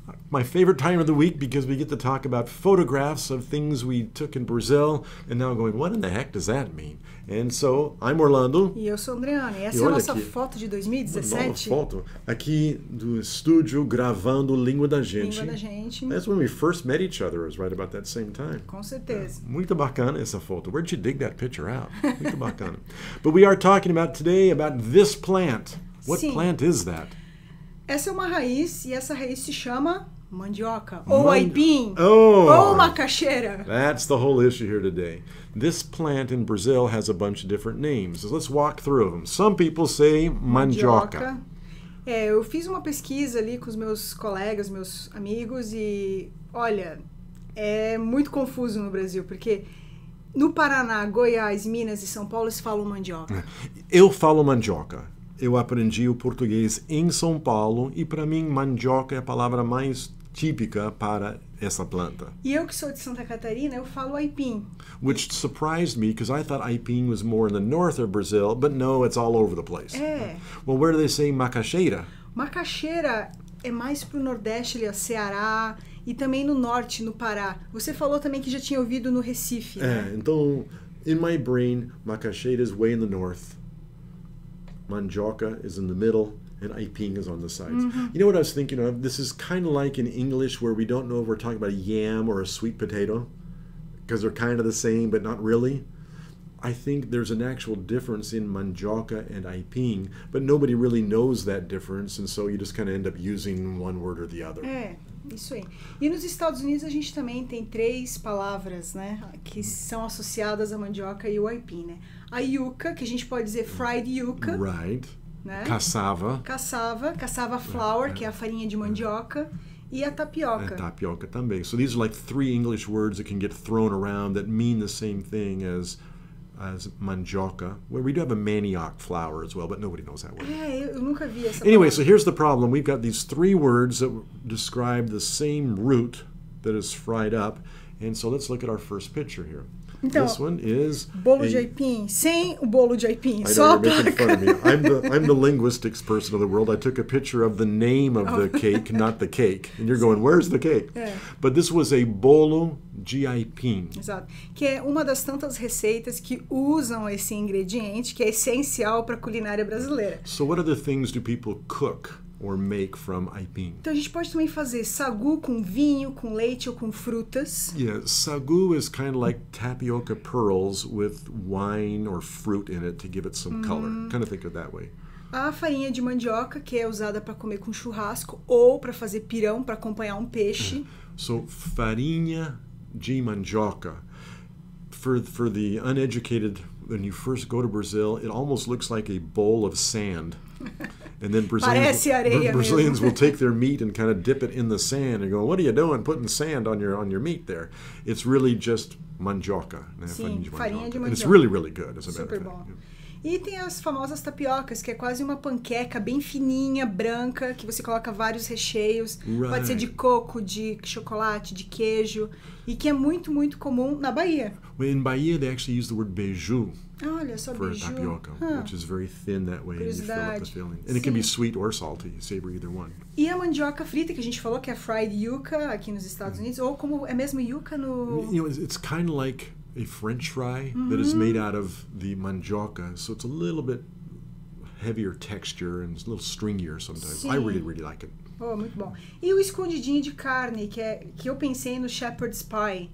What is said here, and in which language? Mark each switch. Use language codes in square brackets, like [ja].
[en] My favorite time of the week because we get to talk about photographs of things we took in Brazil and now going, what in the heck does that mean? And so, I'm Orlando. [pt] E eu sou Adriana. E essa é a nossa foto de 2017. Nossa foto aqui do estúdio gravando Língua da Gente. Língua da Gente. [en] That's when we first met each other, was right about that same time. [pt] Com certeza. Muito bacana essa foto. [en] Where'd you dig that picture out? [pt] Muito bacana. [en] But we are talking about today about this plant. What [pt] Sim. [en] plant is that? [pt] Essa é uma raiz e essa raiz se chama mandioca, ou aipim, ou macaxeira. [en] That's the whole issue here today. This plant in Brazil has a bunch of different names. So let's walk through them. Some people say mandioca. [pt] É, eu fiz uma pesquisa ali com os meus colegas, meus amigos, e olha, é muito confuso no Brasil, porque no Paraná, Goiás, Minas e São Paulo, eles falam mandioca. Eu falo mandioca. Eu aprendi o português em São Paulo e, para mim, mandioca é a palavra mais típica para essa planta. E eu que sou de Santa Catarina, eu falo aipim. [en] Which surprised me, because I thought aipim was more in the north of Brazil, but no, it's all over the place. [pt] É. [en] Well, where do they say macaxeira? [pt] Macaxeira é mais pro nordeste, ali, ó, Ceará, e também no norte, no Pará. Você falou também que já tinha ouvido no Recife, né? É, então, [en] in my brain, macaxeira is way in the north. Mandioca is in the middle, and aipim is on the sides. Mm-hmm. You know what I was thinking of? This is kind of like in English where we don't know if we're talking about a yam or a sweet potato, because they're kind of the same, but not really. I think there's an actual difference in mandioca and aipim, but nobody really knows that difference, and so you just kind of end up using one word or the other. [pt] É, isso aí. E nos Estados Unidos a gente também tem três palavras, né, que são associadas à mandioca e o aipim, né? A yuca, que a gente pode dizer [en] fried yuca. Right. [pt] Né? [en] Cassava. [pt] Cassava. [en] Cassava flour, [pt] que é a farinha de mandioca. E a tapioca. A tapioca também. [en] So these are like three English words that can get thrown around that mean the same thing as mandioca. Well, we do have a manioc flour as well, but nobody knows that word. [pt] É, eu nunca vi essa [en] Anyway, palavra. So here's the problem. We've got these three words that describe the same root that is fried up. And so let's look at our first picture here. [pt] Então, [en] this one is [pt] bolo de aipim, sem o bolo de aipim, [en] I [pt] só [en] know, [pt] a [en] you're [pt] placa. [en] Making fun of me. I'm the linguistics person of the world. I took a picture of the name of the cake, not the cake. And you're going, where's the cake? [pt] É. [en] But this was a [pt] bolo de aipim. Exato. Que é uma das tantas receitas que usam esse ingrediente, que é essencial para a culinária brasileira. [en] So what other things do people cook or make from aipim? [pt] Então a gente pode também fazer sagu com vinho, com leite ou com frutas. [en] Yeah, sagu is kind of like tapioca pearls with wine or fruit in it to give it some color. Kind of think of it that way. [pt] A farinha de mandioca, que é usada para comer com churrasco ou para fazer pirão para acompanhar peixe. So, farinha de mandioca. [en] For the uneducated, when you first go to Brazil, it almost looks like a bowl of sand. And then Brazilians will take their meat and kind of dip it in the sand and go, what are you doing putting sand on your meat there? It's really just mandioca. [pt] Sim, farinha de mandioca. [en] And it's really, really good, as a matter of fact. [pt] Super bom. E tem as famosas tapiocas, que é quase uma panqueca bem fininha, branca, que você coloca vários recheios. Right. Pode ser de coco, de chocolate, de queijo. E que é muito, muito comum na Bahia. [en] Well, in Bahia, they actually use the word beiju. [pt] Olha, só [en] for [pt] beiju. [en] A tapioca, which is very thin that way. [pt] Curiosidade. [en] And you fill up the filling. And it can be sweet or salty. You savor either one. [pt] E a mandioca frita, que a gente falou, que é [en] fried yuca [pt] aqui nos Estados Unidos. Ou como é mesmo yuca no... [en] You know, it's kind of like a French fry that is made out of the mandioca, so it's a little bit heavier texture and it's a little stringier sometimes. [pt] Sim. [en] I really, really like it. [pt] Oh, muito bom. E o escondidinho de carne, que eu pensei no shepherd's pie.